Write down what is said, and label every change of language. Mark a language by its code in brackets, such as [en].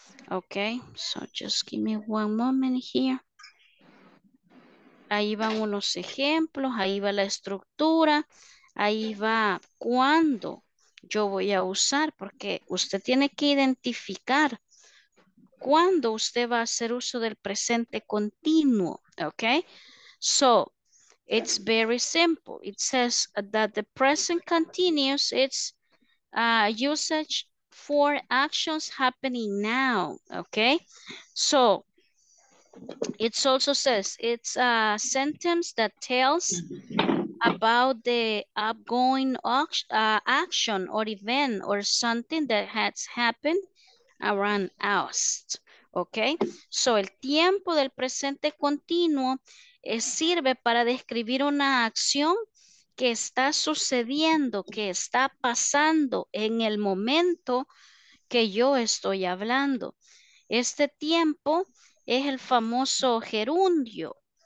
[en] Ok, so just give me one moment here. [es] Ahí van unos ejemplos, ahí va la estructura, ahí va cuándo yo voy a usar, porque usted tiene que identificar cuándo usted va a hacer uso del presente continuo. [en] Ok, so it's very simple. It says that the present continuous is usage for actions happening now. Okay, so it also says it's a sentence that tells about the upcoming action or event or something that has happened around us. Okay, so [es] el tiempo del presente continuo sirve para describir una acción que está sucediendo, que está pasando en el momento que yo estoy hablando. Este tiempo es el famoso gerundio.